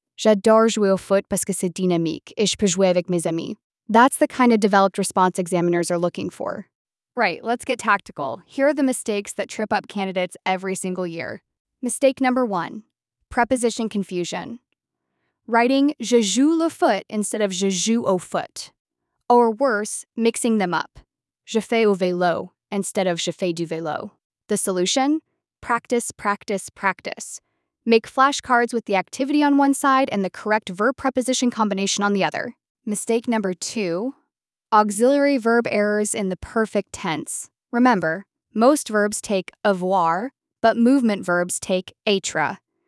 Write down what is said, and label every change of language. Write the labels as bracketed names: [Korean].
[French] J'adore jouer au foot parce que c'est dynamique et je peux jouer avec mes amis. [English] That's the kind of developed response examiners are looking for. Right, let's get tactical. Here are the mistakes that trip up candidates every single year. Mistake number one. Preposition confusion. Writing je joue le foot instead of je joue au foot. Or worse, mixing them up. Je fais au vélo instead of je fais du vélo. The solution? Practice, practice, practice. Make flashcards with the activity on one side and the correct verb preposition combination on the other. Mistake number two, auxiliary verb errors in the perfect tense. Remember, most verbs take avoir, but movement verbs take être.